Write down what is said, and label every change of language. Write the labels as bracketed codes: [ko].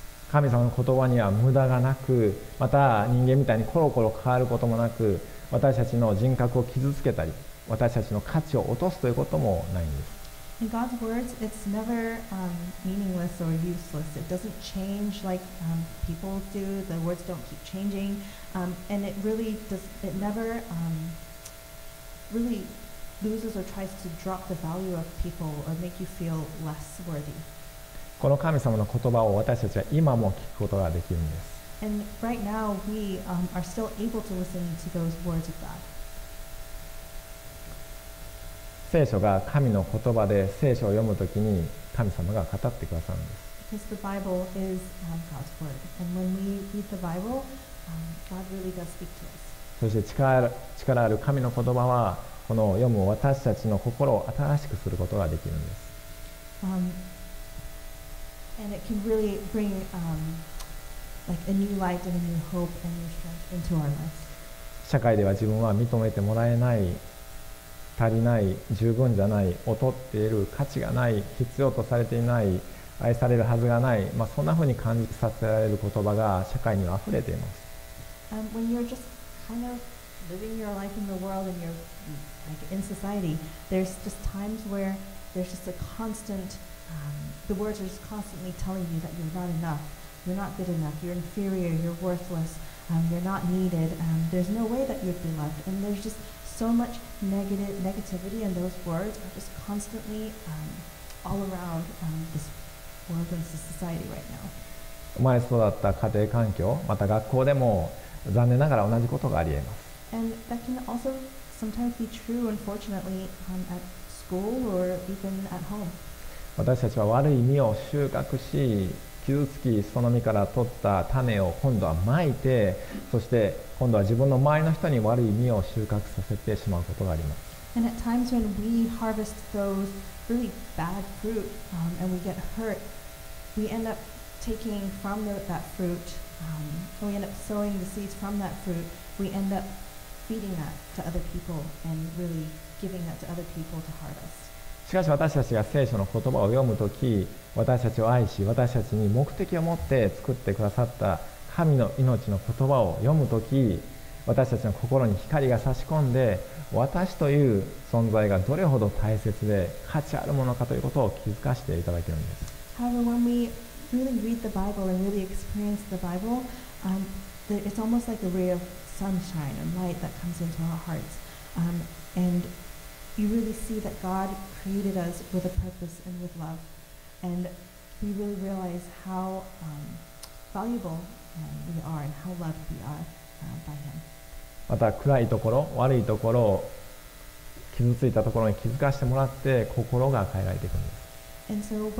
[ja] 神様の言葉には無駄がなく、また人間みたいにコロコロ変わることもなく、私たちの人格を傷つけたり、私たちの価値を落とすということもないんです。 [en] In God's words, it's never, meaningless or useless. It doesn't change like, people do. The words don't keep changing. And it really does, it never, really... loses or tries to drop the value of people or make you feel less worthy. [ja] この神様の言葉を私たちは今も聞くことができるんです。 [en] And right now we, are still able to listen to those words of God. [ja] 聖書が神の言葉で聖書を読むときに神様が語ってくださるんです。 [en] Because the Bible is, God's word. And when we read the Bible, God really does speak to us. [ja] そして力ある神の言葉はこの読む私たちの心を新しくすることができるんです。 [en] And it can really bring, like a new light and a new hope and new strength into our lives. [ja] 社会では自分は認めてもらえない、足りない、十分じゃない、劣っている、価値がない、必要とされていない、愛されるはずがない、まあ、そんなふうに感じさせられる言葉が社会には溢れています。 [en] When you're just kind of living your life in the world and you'reLike in society, there's just times where there's just a constant, the words are just constantly telling you that you're not enough, you're not good enough, you're inferior, you're worthless, you're not needed, there's no way that you'd be loved. And there's just so much negativity and those words are just constantly, all around, this world and this society right now. [ja] 生まれ育った家庭環境、また学校でも残念ながら同じことがありえます。 [en] And that can alsoSometimes be true, unfortunately, at school or even at home. [ja] 私たちは悪い実を収穫し、傷つきその実から取った種を今度は蒔いて、そして今度は自分の周りの人に悪い実を収穫させてしまうことがあります。 [en] And at times when we harvest those really bad fruit, and we get hurt, we end up taking from that fruit, and we end up sowing the seeds from that fruit, we end up feeding that to other people and really giving that to other people to harvest. [ja] しかし私たちが聖書の言葉を読むとき、私たちを愛し、私たちに目的を持って作ってくださった神の命の言葉を読むとき、私たちの心に光が差し込んで、私という存在がどれほど大切で価値あるものかということを気づかせていただけるんです。 [en] However, when we really read the Bible and really experience the Bible, it's almost like a ray of sunshine and light that comes into our hearts, andyou really see that God created us with a purpose and with love, and we really realize how valuable we are and how loved we are by Him. [ja] また暗いところ、悪いところを傷ついたところに気づかせてもらって心が変えられていくんです。